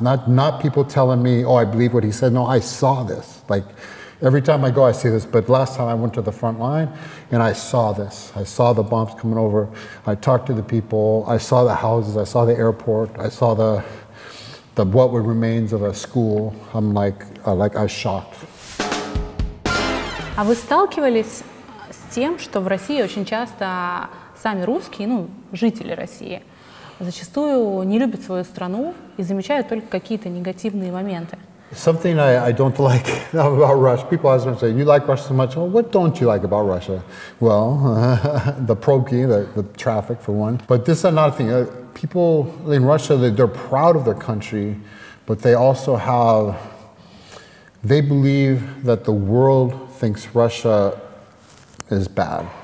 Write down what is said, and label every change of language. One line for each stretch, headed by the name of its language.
English: Not people telling me, oh, I believe what he said. No, I saw this. Like, every time I go, I see this. But last time I went to the front line and I saw this. I saw the bombs coming over. I talked to the people. I saw the houses. I saw the airport. I saw the what remains of a school. I'm like, I was shocked.
Russian: А вы сталкивались с тем, что в России очень часто сами русские, ну, жители России, зачастую не любят свою страну и замечают только какие-то негативные моменты?
English: Something I don't like about Russia. People ask me, say, you like Russia so much. Well, what don't you like about Russia? Well, the pokey, the traffic, for one. But this is another thing. People in Russia, they're proud of their country, but they also have, they believe that the world thinks Russia is bad.